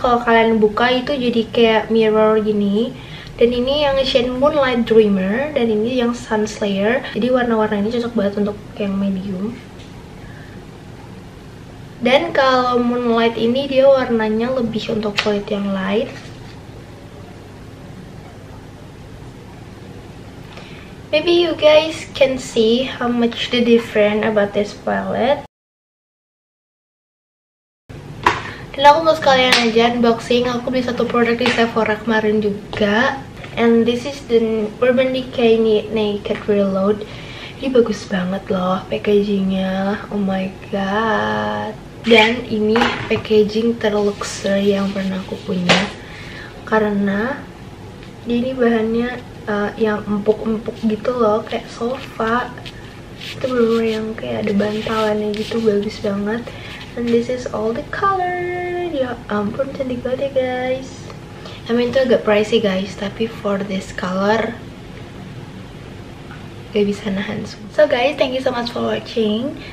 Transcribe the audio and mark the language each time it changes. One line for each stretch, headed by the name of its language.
Indonesian: Kalau kalian buka itu jadi kayak mirror gini. Dan ini yang shade Moonlight Dreamer. Dan ini yang Sun Slayer. Jadi warna-warna ini cocok banget untuk yang medium. Dan kalau Moonlight ini dia warnanya lebih untuk kulit yang light.
English: Maybe you guys can see how much the different about this palette.
Indonesian: Dan aku mau sekalian aja unboxing, aku beli satu produk di Sephora kemarin juga.
English: And this is the Urban Decay Naked Reload.
Indonesian: Ini bagus banget loh packagingnya, oh my god. Dan ini packaging terluxury yang pernah aku punya. Karena ini bahannya yang empuk-empuk gitu loh, kayak sofa. Itu bener-bener yang kayak ada bantalannya gitu, bagus banget.
English: And this is all the color.
Indonesian: Ya ampun, cantik banget ya guys.
English: I mean
Indonesian: itu agak
English: pricey guys,
Indonesian: tapi
English: for this color
Indonesian: gak bisa nahan.
English: So guys, thank you so much for watching.